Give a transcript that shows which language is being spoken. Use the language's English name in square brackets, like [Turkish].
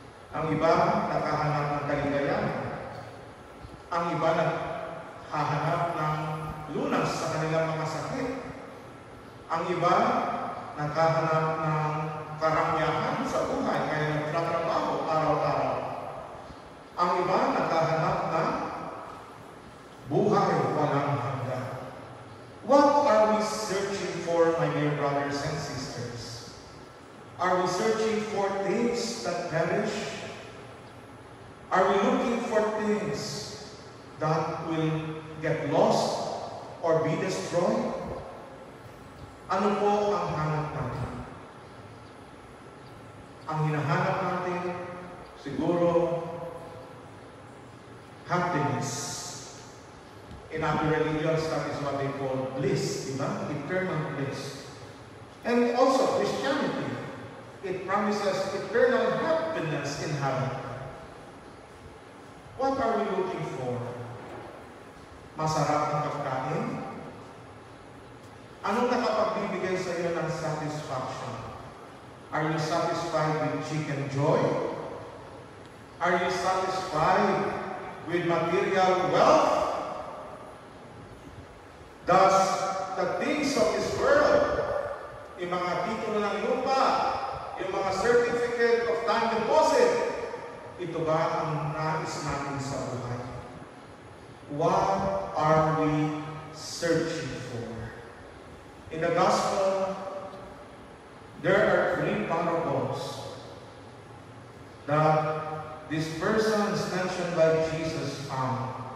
[Filipino] Ang iba, nakahanap ng kaligayahan. Ang iba, naghahanap ng lunas sa kanilang mga sakit. Ang iba, nakahanap ng karamihan sa buhay, kaya nagtatrabaho araw-araw. Ang iba, nakahanap ng buhay walang hangga. [English] What are we searching for, my dear brothers and sisters? Are we searching for things that perish? Are we looking for things that will get lost or be destroyed? [Filipino] Ano po ang hanap natin? Ang hinahanap natin, siguro, happiness. [English] In other religions, that is what they call bliss, [Filipino] di ba? [English] Eternal bliss. And also Christianity. It promises eternal happiness in heaven. What are we looking for? [Filipino] Masarap ang pagkain? Anong nakapagbibigay sa iyo ng satisfaction? [English] Are you satisfied with chicken joy? Are you satisfied with material wealth? Does the things of this world, [Filipino] yung mga titulo ng lupa, yung mga [English] certificate of time deposit, [Filipino] ito ba ang nais natin sa buhay? [English] What are we searching for? In the Gospel, there are three parables that these persons mentioned by Jesus found.